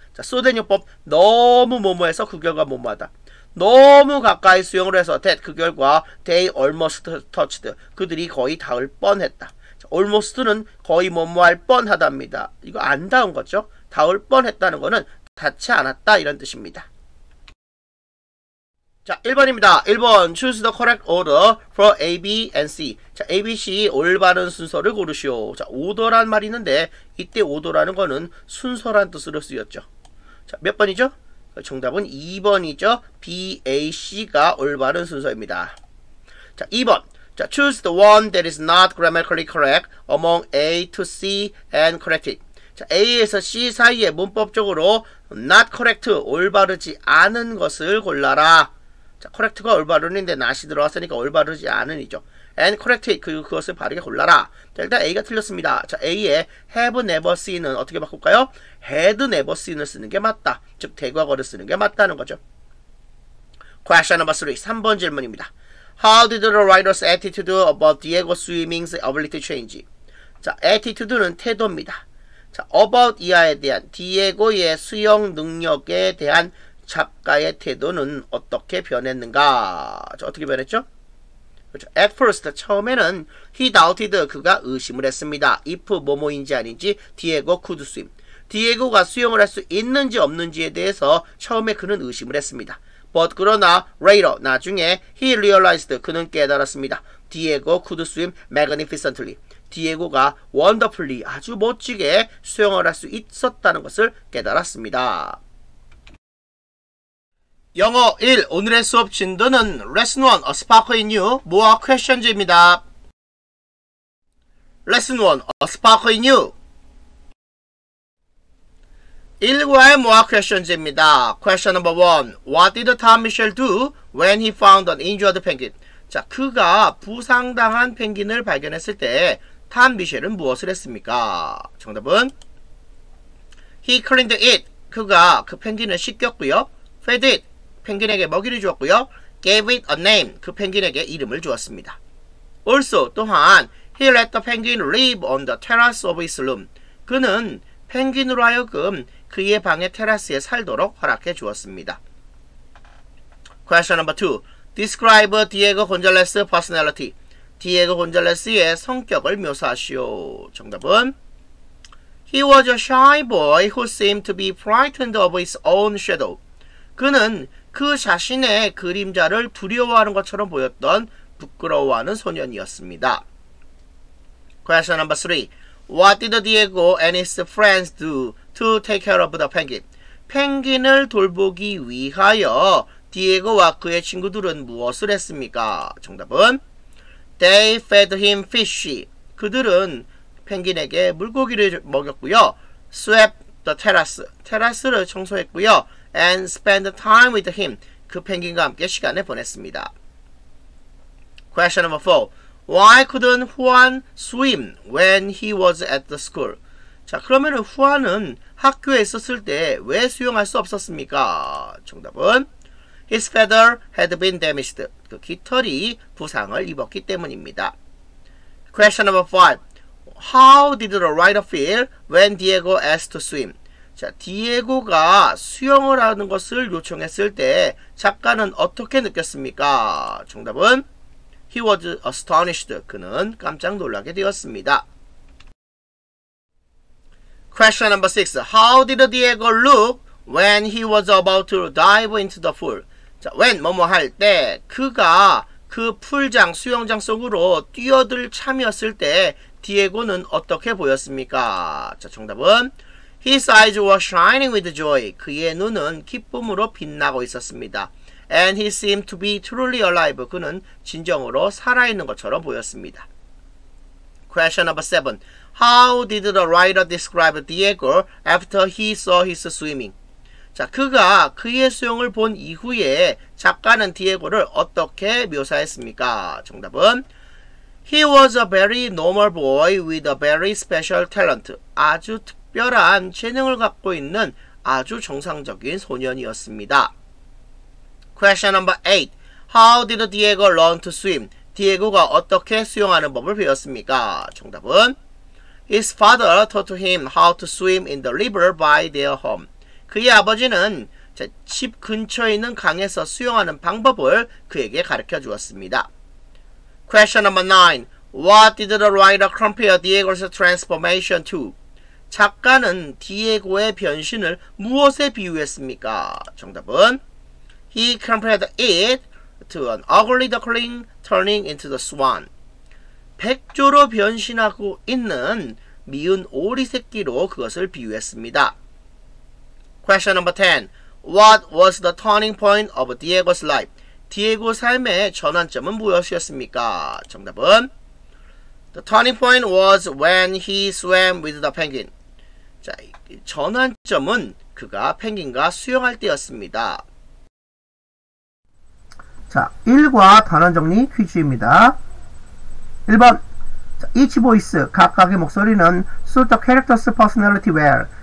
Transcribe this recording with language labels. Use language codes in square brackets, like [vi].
[ko] 자, [en] so that [ko] 요법, 너무 뭐뭐해서 그 결과 뭐뭐하다. 너무 가까이 수영을 해서 that 그 결과 [en] they almost touched. [ko] 그들이 거의 닿을 뻔했다. 자, almost는 거의 뭐뭐할 뻔하답니다. 이거 안 닿은 거죠? 닿을 뻔했다는 거는 닿지 않았다 이런 뜻입니다. 자, 1번입니다. [en] 1번, choose the correct order for A, B, and C. [ko] 자, A, B, C, 올바른 순서를 고르시오. 자, order란 말이 있는데, 이때 order라는 거는 순서란 뜻으로 쓰였죠. 자, 몇 번이죠? 정답은 2번이죠. B, A, C가 올바른 순서입니다. 자, 2번. [en] 자, choose the one that is not grammatically correct among A to C and correct it. [ko] 자, A에서 C 사이에 문법적으로 [en] not correct, [ko] 올바르지 않은 것을 골라라. 자, correct가 올바른인데 not이 들어왔으니까 올바르지 않은 이죠. [en] and correct it, [ko] 그것을 바르게 골라라. 자, 일단 A가 틀렸습니다. 자, A에 [en] have never seen [ko] 은 어떻게 바꿀까요? [en] had never seen [ko] 을 쓰는 게 맞다. 즉, 대과거를 쓰는 게 맞다는 거죠. [en] Question number 3, [ko] 3번 질문입니다. [en] How did the writer's attitude about Diego swimming's ability change? [ko] 자, attitude는 태도입니다. 자, about 이하에 대한, Diego의 수영 능력에 대한 작가의 태도는 어떻게 변했는가? 자, 어떻게 변했죠? 그렇죠. [en] At first, [ko] 처음에는 [en] he doubted, [ko] 그가 의심을 했습니다. [en] If [ko] 뭐뭐인지 아닌지 [en] Diego could swim. [ko] Diego가 수영을 할 수 있는지 없는지에 대해서 처음에 그는 의심을 했습니다. [en] But [ko] 그러나 [en] later, [ko] 나중에 [en] he realized, [ko] 그는 깨달았습니다. [en] Diego could swim magnificently. [ko] Diego가 [en] wonderfully, [ko] 아주 멋지게 수영을 할 수 있었다는 것을 깨달았습니다. 영어 1, 오늘의 수업 진도는 레슨 1, A Spark in You, 모아 퀘션즈입니다. 레슨 1, A Spark in You. 1과의 모아 퀘션즈입니다. [en] Question number 1, What did Tom Michel do when he found an injured penguin? [ko] 자, 그가 부상당한 펭귄을 발견했을 때 탐 미셸은 무엇을 했습니까? 정답은 [en] He cleaned it. [ko] 그가 그 펭귄을 씻겼고요. [en] Fed it. [ko] 펭귄에게 먹이를 주었고요. [en] Gave it a name. [ko] 그 펭귄에게 이름을 주었습니다. [en] Also, [ko] 또한, [en] he let the penguin live on the terrace of his room. [ko] 그는 펭귄으로 하여금 그의 방의 테라스에 살도록 허락해 주었습니다. [en] Question number 2. Describe Diego Gonzalez's personality. [ko] 디에고 곤잘레스의 성격을 묘사하시오. 정답은 [en] He was a shy boy who seemed to be frightened of his own shadow. [ko] 그는 그 자신의 그림자를 두려워하는 것처럼 보였던 부끄러워하는 소년이었습니다. [en] Question number 3. What did Diego and his friends do to take care of the penguin? [ko] 펭귄을 돌보기 위하여 디에고와 그의 친구들은 무엇을 했습니까? 정답은 [en] They fed him fish. [ko] 그들은 펭귄에게 물고기를 먹였고요. [en] Swept the terrace. [ko] 테라스를 청소했고요. [en] And spent time with him. [ko] 그 펭귄과 함께 시간을 보냈습니다. [en] Question number 4. Why couldn't Juan swim when he was at the school? [ko] 자, 그러면은 후안은 학교에 있었을 때 왜 수영할 수 없었습니까? 정답은 [en] His feather had been damaged. [ko] 그 깃털이 부상을 입었기 때문입니다. [en] Question number 5. How did the rider feel when Diego asked to swim? [ko] 자, 디에고가 수영을 하는 것을 요청했을 때 작가는 어떻게 느꼈습니까? 정답은 [en] He was astonished. [ko] 그는 깜짝 놀라게 되었습니다. [en] Question number 6. How did Diego look when he was about to dive into the pool? [ko] 자, when, 뭐뭐 할 때, 그가 그 풀장, 수영장 속으로 뛰어들 참이었을 때, 디에고는 어떻게 보였습니까? 자, 정답은, [en] His eyes were shining with joy. [ko] 그의 눈은 기쁨으로 빛나고 있었습니다. [en] And he seemed to be truly alive. [ko] 그는 진정으로 살아있는 것처럼 보였습니다. [en] Question number 7. How did the writer describe Diego after he saw his swimming? [ko] 자, 그가 그의 수영을 본 이후에 작가는 디에고를 어떻게 묘사했습니까? 정답은 [en] He was a very normal boy with a very special talent. [ko] 아주 특별한 재능을 갖고 있는 아주 정상적인 소년이었습니다. [en] Question number 8. How did Diego learn to swim? [ko] 디에고가 어떻게 수영하는 법을 배웠습니까? 정답은 [en] His father taught him how to swim in the river by their home. [ko] 그의 아버지는 집 근처에 있는 강에서 수영하는 방법을 그에게 가르쳐 주었습니다. [en] Question number 9. What did the writer compare Diego's transformation to? [ko] 작가는 디에고의 변신을 무엇에 비유했습니까? 정답은 [en] He compared it to an ugly duckling turning into the swan. [ko] 백조로 변신하고 있는 미운 오리 새끼로 그것을 비유했습니다. [en] Question number 10. What was the turning point of Diego's life? [ko] 디에고 삶의 전환점은 무엇이었습니까? 정답은 [en] The turning point was when he swam with the penguin. [ko] 자, 전환점은 그가 펭귄과 수영할 때였습니다. 자, 1과 단원 정리 퀴즈입니다. [en] 1번 자, Each voice, [ko] 각각의 목소리는 [en] Suit the character's personality well.